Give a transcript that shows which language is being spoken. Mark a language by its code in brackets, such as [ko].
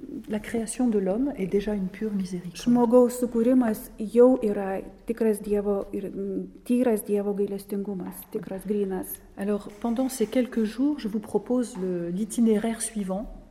[fr] La création de l'homme est déjà une pure miséricorde. [lt] Žmogaus sukūrimas jau yra tikras Dievo ir tyras Dievo gailestingumas, tikras grynas. [fr] Alors, pendant ces quelques jours, je vous propose l'itinéraire suivant.